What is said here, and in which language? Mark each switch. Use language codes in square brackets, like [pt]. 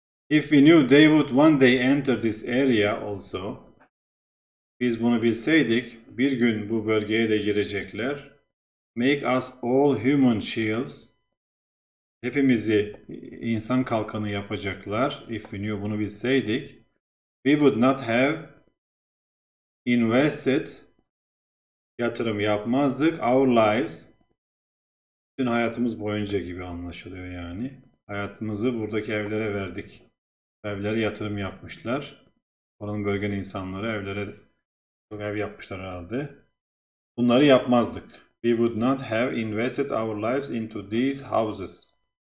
[en] If we knew they would one day enter this area also. [tr] Biz bunu bilseydik, bir gün bu bölgeye de girecekler. [en] Make us all human shields. [tr] Hepimizi insan kalkanı yapacaklar. [en] If we knew, [tr] bunu bilseydik. [en] We would not have invested, [tr] yatırım yapmazdık. [en] Our lives, [tr] bütün hayatımız boyunca gibi anlaşılıyor yani. Hayatımızı buradaki evlere verdik. Evlere yatırım yapmışlar. Oranın bölgenin insanları evlere çok ev yapmışlar herhalde. Bunları yapmazdık. [en] We would not have invested our lives into these houses.